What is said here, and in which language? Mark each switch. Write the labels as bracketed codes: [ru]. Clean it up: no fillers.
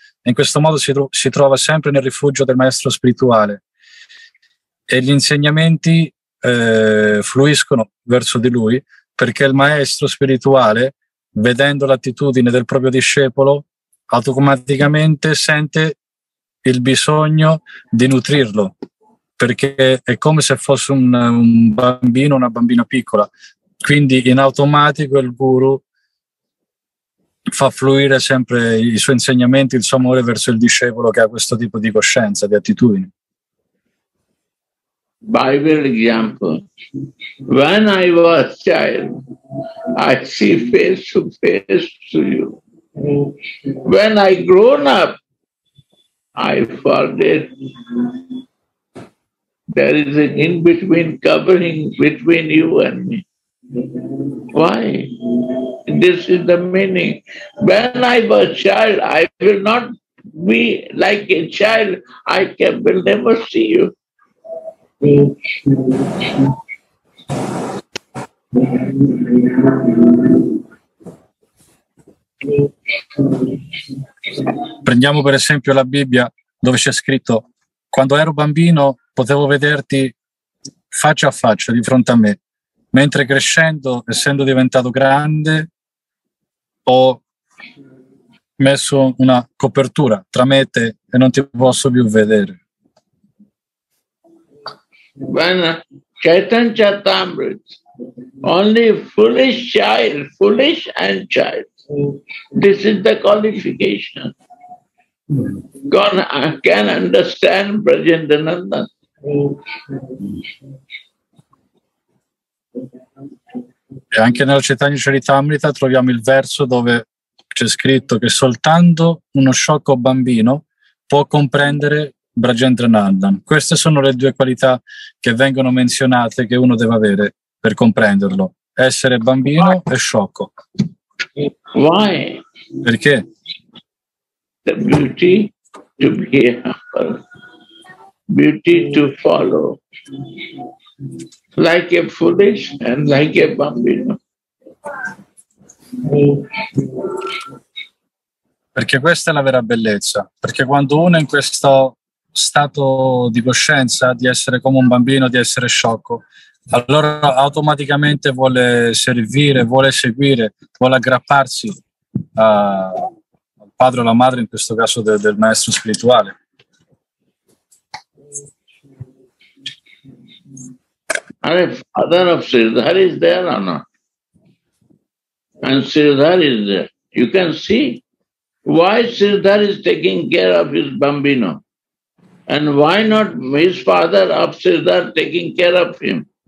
[it] In questo modo si trova sempre nel rifugio del maestro spirituale e gli insegnamenti fluiscono verso di lui, perché il maestro spirituale, vedendo l'attitudine del proprio discepolo, automaticamente sente il bisogno di nutrirlo, perché è come se fosse un bambino, una bambina piccola. Quindi in automatico il guru fa fluire sempre i suoi insegnamenti, il suo amore verso il discepolo che ha questo tipo di coscienza, di attitudine. [en] By example, when I was child, I see face to you. When I grown up, I forget there is an in-between covering between you and me. Why? This is the meaning. When I was child, I will not be like a child. I will never see you. [it] Prendiamo per esempio la Bibbia, dove c'è scritto: quando ero bambino potevo vederti faccia a faccia di fronte a me, mentre crescendo, essendo diventato grande, ho messo una copertura tra me e te e non ti posso più vedere. [en] When Chaitanya Charitamrita, only foolish and child, this is the qualification, can understand Brajendranandan. [it] E anche nel Chaitanya Charitamrita troviamo il verso dove c'è scritto che soltanto uno sciocco bambino può comprendere Brajendranandan. Queste sono le due qualità che vengono menzionate che uno deve avere per comprenderlo: essere bambino e sciocco. [en] Why? [it] Perché? [en] The beauty to be humble, beauty to follow, like a foolish and like a bambino. [it] Perché questa è la vera bellezza, perché quando uno è in questo stato di coscienza di essere come un bambino, di essere sciocco, allora automaticamente vuole servire, vuole seguire, vuole aggrapparsi al padre o alla madre, in questo caso del maestro spirituale. [en] And the father of Sridhar is there or not? And Sridhar is there. You can see why Sridhar is taking care of his bambino. And why not his father of Sridhar taking care of him?